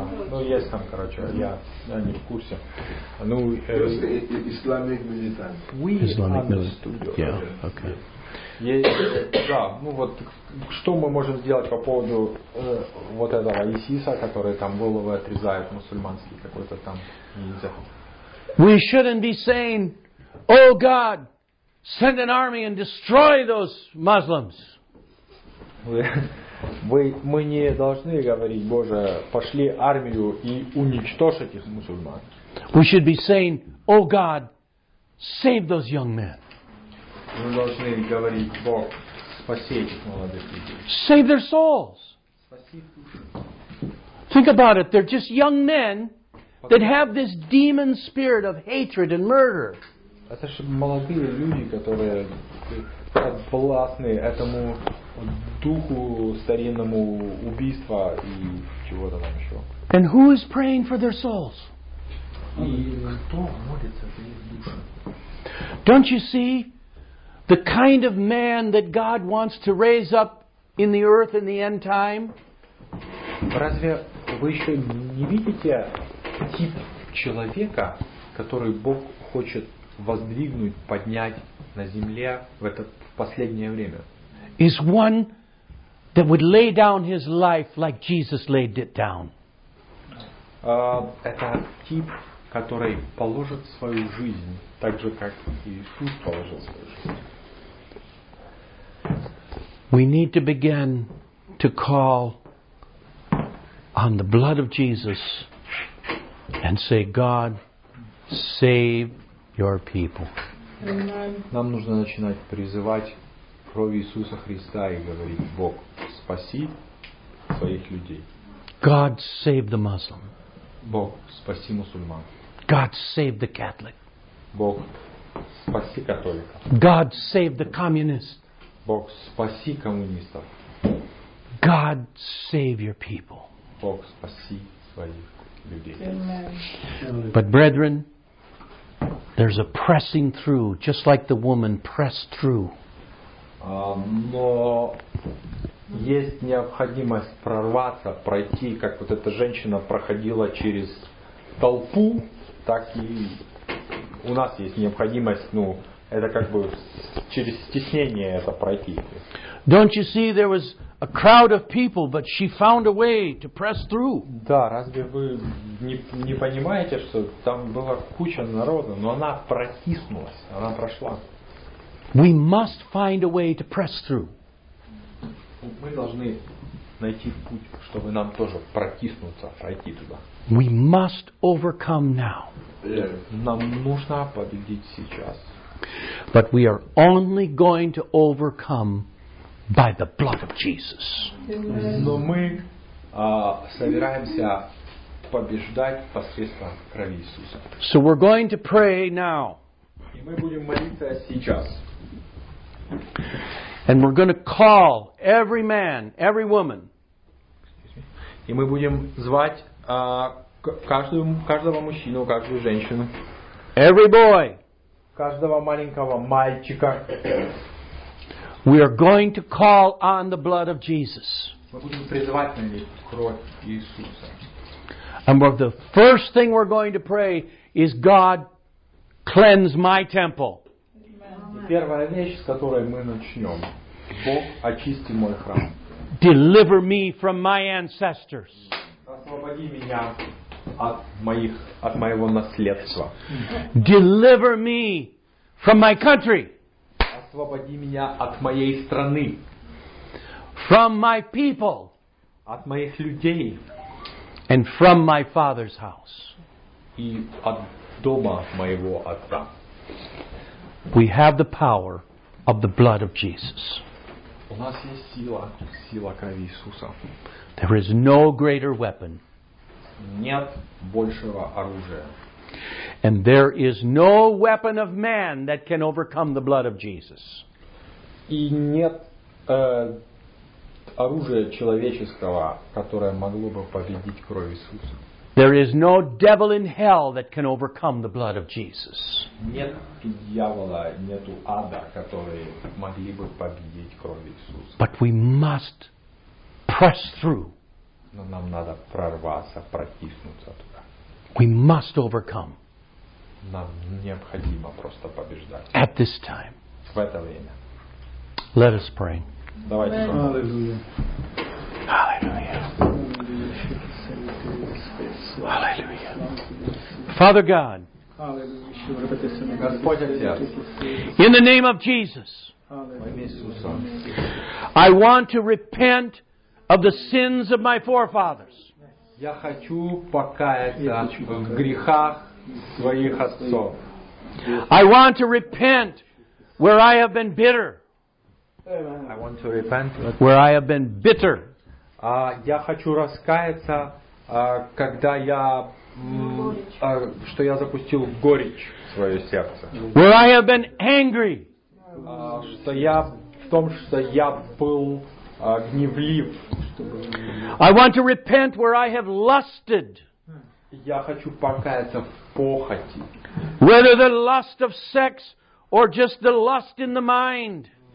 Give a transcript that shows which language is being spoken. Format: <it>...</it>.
<ru>Ну есть там, короче, я не в курсе. Ну</ru> <en>исламик милитант. Исламик милитант. Yeah, okay.</en> <ru>Да, ну вот что мы можем сделать по поводу вот этого ИСИСа, который там головы отрезает мусульманский какой-то там.</ru> <en>We shouldn't be saying, "Oh God, send an army and destroy those Muslims."</en> <ru>Мы не должны говорить, Боже, пошли армию и уничтожь этих мусульман.</ru> <en>We should be saying, "Oh God, save those young men."</en> <ru>Мы должны говорить, Бог, спаси этих молодых людей.</ru> <en>Save their souls.</en> <ru>Спаси их души.</ru> <en>Think about it. They're just young men that have this demon spirit of hatred and murder.</en> <ru>Это же молодые люди, которые подвластны этому духу старинному убийства и чего-то там еще.</ru> <en>And who is praying for their souls?</en> <ru>И кто молится за их души?</ru> <en>Don't you see the kind of man that God wants to raise up in the earth in the end time?</en> <ru>Разве вы еще не видите тип человека, который Бог хочет воздвигнуть, поднять на земле в это последнее время?</ru> <en>Is one that would lay down his life like Jesus laid it down.</en> <ru>Это тип, который положит свою жизнь так же, как Иисус положил свою жизнь.</ru> <en>We need to begin to call on the blood of Jesus and say, God, save your people.</en> <ru>Нам нужно начинать призывать кровь Иисуса Христа и говорит: Бог, спаси своих людей.</ru> <en>God save the Muslim.</en> <ru>Бог, спаси мусульман.</ru> <en>God save the Catholic.</en> <ru>Бог, спаси католика.</ru> <en>God save the communist.</en> <ru>Бог, спаси коммунистов.</ru> <en>God save your people.</en> <ru>Бог, спаси своих людей.</ru> <en>But brethren, there's a pressing through, just like the woman pressed through.</en> <ru>Но есть необходимость прорваться, пройти, как вот эта женщина проходила через толпу, так и у нас есть необходимость, ну, это как бы через стеснение это пройти.</ru> <en>Don't you see there was a crowd of people, but she found a way to press through.</en> <ru>Да, разве вы не понимаете, что там была куча народа, но она протиснулась, она прошла.</ru> <en>We must find a way to press through.</en> <ru>Мы должны найти путь, чтобы нам тоже протиснуться, пройти туда.</ru> <en>We must overcome now.</en> <ru>Нам нужно победить сейчас.</ru> <en>But we are only going to overcome by the blood of Jesus.</en> <ru>Но мы собираемся побеждать посредством крови Иисуса.</ru> <en>So we're going to pray now.</en> <ru>И мы будем молиться сейчас.</ru> <en>And we're going to call every man, every woman.</en> <ru>И мы будем звать каждого мужчину, каждую женщину.</ru> <en>Every boy.</en> <ru>Каждого маленького мальчика.</ru> <en>We are going to call on the blood of Jesus.</en> <ru>Мы будем призывать на них кровь Иисуса.</ru> <en>And the first thing we're going to pray is God cleanse my temple.</en> <ru>Первая вещь, с которой мы начнем. Бог, очисти мой храм.</ru> <en>Deliver me from my ancestors.</en> <ru>Освободи меня от моего наследства.</ru> <en>Deliver me from my country.</en> <ru>Освободи меня от моей страны.</ru> <en>From my people.</en> <ru>От моих людей.</ru> <en>And from my father's house.</en> <ru>И от дома моего отца.</ru> <en>We have the power of the blood of Jesus.</en> <ru>У нас есть сила, сила крови Иисуса.</ru> <en>There is no greater weapon.</en> <ru>Нет большего оружия.</ru> <en>And there is no weapon of man that can overcome the blood of Jesus.</en> <ru>И нет оружия человеческого, которое могло бы победить кровь Иисуса.</ru> <en>There is no devil in hell that can overcome the blood of Jesus.</en> <ru>Нет дьявола, нету ада, которые могли бы победить кровь Иисуса.</ru> <en>But we must press through.</en> <ru>Но нам надо прорваться, протиснуться туда.</ru> <en>We must overcome.</en> <ru>Нам необходимо просто побеждать.</ru> <en>At this time.</en> <ru>В это время.</ru> <en>Let us pray.</en> <ru>Давайте помолимся. Аллилуйя. Аллилуйя.</ru> <en>Hallelujah. Father God, in the name of Jesus, I want to repent of the sins of my forefathers.</en> <ru>Я хочу покаяться в грехах своих отцов.</ru> <en>I want to repent where I have been bitter. I want to repent where I have been bitter.</en> <ru>Я хочу раскаяться когда я что я запустил горечь в свое сердце.</ru> <en>Where I have been angry.</en> <ru>Что я в том, что я был гневлив.</ru> <en>I want to repent where I have lusted.</en> <ru>Я хочу покаяться в похоти.</ru> <en>Whether the lust of sex or just the lust in the mind.</en>